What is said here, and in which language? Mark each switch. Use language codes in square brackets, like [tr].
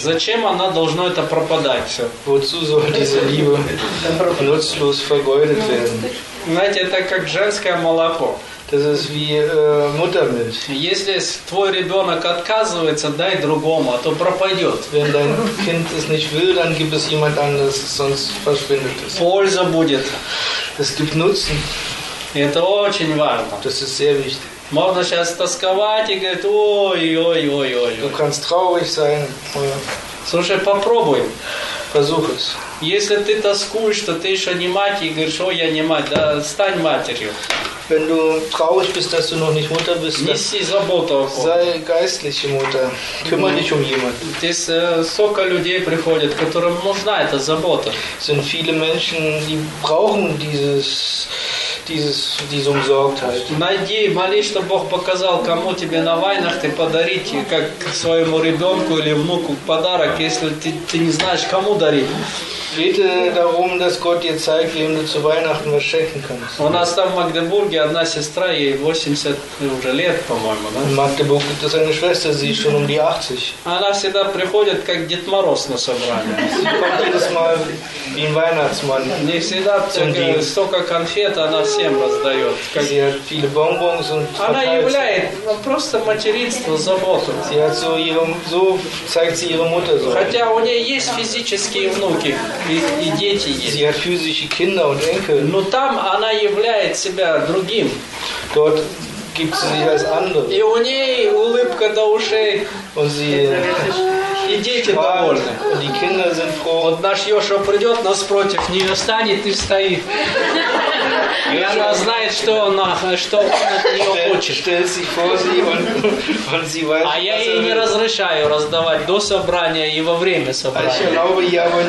[ru] Зачем она должна это пропадать все? [de] Wozu soll diese Liebe nutzlos vergeudet werden? [ru] Знаете, это как женское молоко. [de] Das ist wie Muttermilch. [ru] Если твой ребенок отказывается, дай другому, а то пропадет. [de] Wenn dein Kind es nicht will, dann gib es jemand anders, sonst verschwindet es. [ru] Польза будет. [de] Es gibt Nutzen. [ru] Это очень важно. [de] Das ist sehr wichtig. [ru] Можно сейчас тосковать и говорить, ой-ой-ой-ой-ой. [de] Du kannst traurig sein. [ru] Слушай, попробуй. [de] Versuch es. [ru] Если ты тоскуешь, что ты еще не мать, и говоришь, ой, я не мать, да стань матерью. [de] Wenn du traurig bist, dass du noch nicht Mutter bist, [ru] неси заботу о ком. [de] Sei geistliche Mutter. Kümmere dich um jemanden. [ru] Здесь столько людей приходит, которым нужна эта забота. [de] Sind viele Menschen, die brauchen diese Umsorgtheit. [ru] Найди, молись, чтобы Бог показал, кому тебе на войнах ты подарить, как своему ребенку или внуку подарок, если ты не знаешь, кому дарить. [de] Bitte darum, dass Gott dir zeigt, wem du zu Weihnachten was schenken kannst. [ru] У нас там в Магдебурге одна сестра, ей 80 уже лет, по-моему, да? [de] In Magdeburg gibt es eine Schwester, sie ist schon um die 80. [ru] Она всегда приходит, как Дед Мороз на собрание. [de] Sie kommt jedes Mal wie ein Weihnachtsmann. [ru] Не всегда, столько конфет она всем раздает. [de] Sie hat viele Bonbons und [ru] она являет просто материнство, заботу. [de] Sie hat so ihrem, so zeigt sie ihre Mutter so. [ru] Хотя у нее есть физические внуки. И дети есть. [de] Sie hat physische Kinder und Enkel. [ru] Но там она являет себя другим. [de] Dort gibt sie sich als andere. [ru] И у ней улыбка до ушей. [de] Und sie [ru] и дети довольны. [de] Und die Kinder sind froh. [ru] Вот наш Йошуа придет нас против нее, встанет и стоит. И она знает, что она, что он от нее хочет. Он а я ей не разрешаю раздавать до собрания и во время собрания.